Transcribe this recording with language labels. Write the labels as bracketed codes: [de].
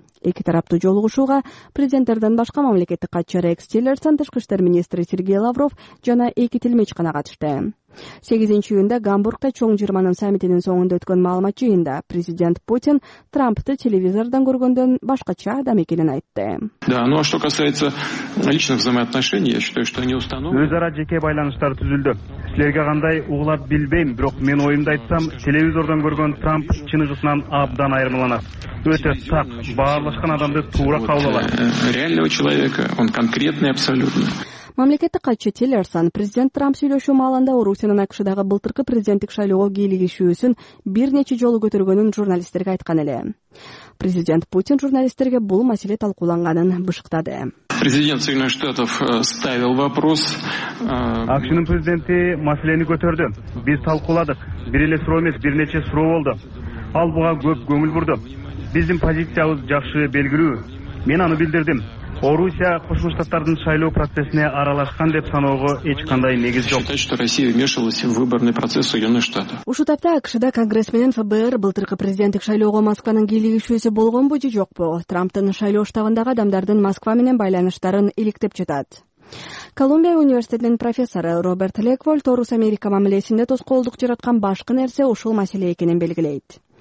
[ky] Эки тараптуу жолугушууга президенттерден башка мамлекеттик катчы Рекс Тиллерсон, тышкы иштер министри Сергей Лавров жана эки тилмеч гана катышты. 8 июнда Гамбургда чоң жырманын саммитинин соңунда өткөн маалымат жыйынында президент Путин Трампты телевизордон көргөндөн башкача адам экенин айтты. [ru] Да, ну а что касается личных взаимоотношений, я считаю, что они установлены. [ky] Өз ара жеке байланыштар түзүлдү. Силерге кандай угулат билбейм, бирок мен оюмду айтсам, телевизордон көргөн Трамп чыныгысынан абдан айырмаланат. Өтө сак, баарлашкан адамды туура кабыл алат. [ru] Реального человека, он конкретный абсолютно. [ky] Мамлекеттик катчы Тиллерсон президент Трамп сүйлөшүү маалында Орусиянын АКШдагы былтыркы президенттик шайлоого кийлигишүүсүн бир нече жолу көтөргөнүн журналисттерге айткан эле. Президент Путин журналисттерге бул маселе талкууланганын бышыктады. [ru] Президент Соединенных Штатов ставил вопрос. [ky] АКШнын президенти маселени көтөрдү. Биз талкууладык. Бир эле суроо эмес, бир нече суроо болду. Ал буга көп көңүл бурду. Биздин позициябыз жакшы белгилүү. Мен аны билдирдим. Орусия Кошмо Штаттардын шайлоо процессине аралашкан деп саноого эч кандай негиз жок. [ru] Россия вмешивалась в выборный процесс Соединённых Штатов. [ky] Ушул тапта АКШда Конгресс менен ФБР былтыркы президенттик шайлоого Москванын кийлигишүүсү болгонбу же жокпу? Трамптын шайлоо штабындагы адамдардын Москва менен байланыштарын иликтеп жатат. Колумбия университетинин профессору Роберт Леквольд Орус Америка мамилесинде тоскоолдук жараткан башкы нерсе ушул маселе экенин белгилейт.